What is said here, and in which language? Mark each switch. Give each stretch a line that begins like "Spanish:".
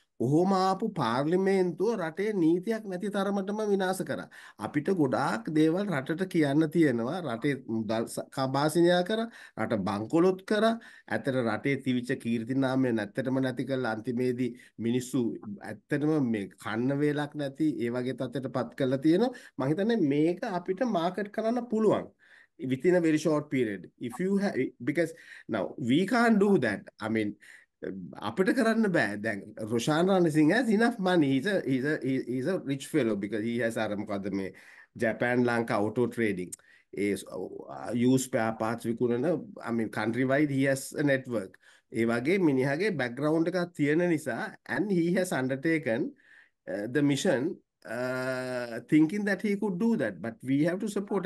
Sinhala: ඔහොම ආපු පාර්ලිමේන්තුව රටේ නීතියක් නැති තරමටම විනාශ කරා. අපිට ගොඩාක් දේවල් රටට කියන්න තියෙනවා. රටේ මුදල් කබාසිනියා කරා, රට බංකොලොත් කරා, ඇත්තට රටේ තිවිච්ච කීර්තිනාමය නැත්තටම නැති කරලා අන්තිමේදී මිනිස්සු ඇත්තටම මේ කන්න වේලක් නැති ඒ වගේ තත්ත්වයට පත් කරලා තියෙනවා. මං හිතන්නේ මේක අපිට මාකට් කරන්න පුළුවන්
English: within a very short period if you have, because now we can't do that. I mean,
Sinhala: අපිට කරන්න බෑ.
English: දැන් Roshan Ranasinghe has enough money. He's a rich fellow because he has
Sinhala: අර මොකද්ද මේ Japan Lanka
English: auto trading is use spare parts විකුණන, I mean country wide he has a network.
Sinhala: ඒ වගේ මිනිහාගේ background එකක් තියෙන නිසා,
English: and he has undertaken the mission thinking that he could do that, but we have to support.